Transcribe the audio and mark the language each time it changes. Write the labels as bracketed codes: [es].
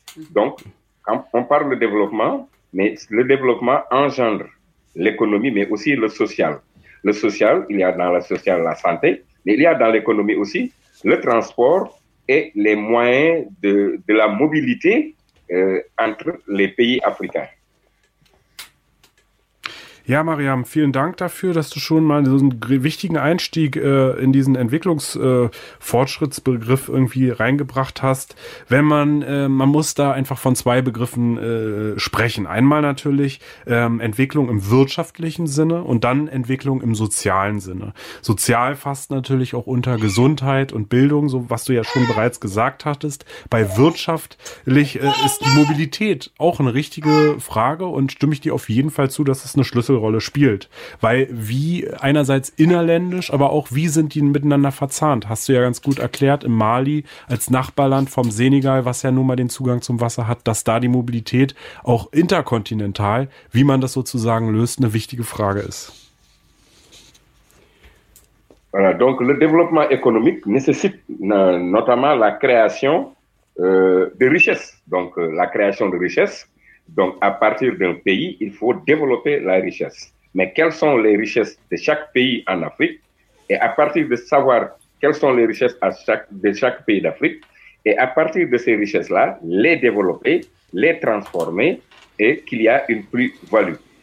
[fr] Donc, quand on parle de développement, mais le développement engendre l'économie, mais aussi le social. Le social, il y a dans le social la santé, mais il y a dans l'économie aussi le transport, et les moyens de la mobilité entre les pays africains. [de] Ja, Mariam, vielen Dank dafür, dass du schon mal so einen wichtigen Einstieg in diesen Entwicklungsfortschrittsbegriff irgendwie reingebracht hast. Wenn man, man muss da einfach von zwei Begriffen sprechen. Einmal natürlich Entwicklung im wirtschaftlichen Sinne und dann Entwicklung im sozialen Sinne. Sozial fasst natürlich auch unter Gesundheit und Bildung, so was du ja schon bereits gesagt hattest. Bei wirtschaftlich ist die Mobilität auch eine richtige Frage und stimme ich dir auf jeden Fall zu, dass es eine Schlüsselrolle spielt, weil wie einerseits innerländisch, aber auch wie sind die miteinander verzahnt? Hast du ja ganz gut erklärt, im Mali als Nachbarland vom Senegal, was ja nun mal den Zugang zum Wasser hat, dass da die Mobilität auch interkontinental, wie man das sozusagen löst, eine wichtige Frage ist. [fr] Voilà, donc le développement économique nécessite notamment la création de richesses, donc la création de richesses. Donc, à partir d'un pays, il faut développer la richesse. Mais quelles sont les richesses de chaque pays en Afrique? Et à partir de savoir quelles sont les richesses de chaque pays d'Afrique, et à partir de ces richesses-là, les développer, les transformer, et qu'il y a une plus-value.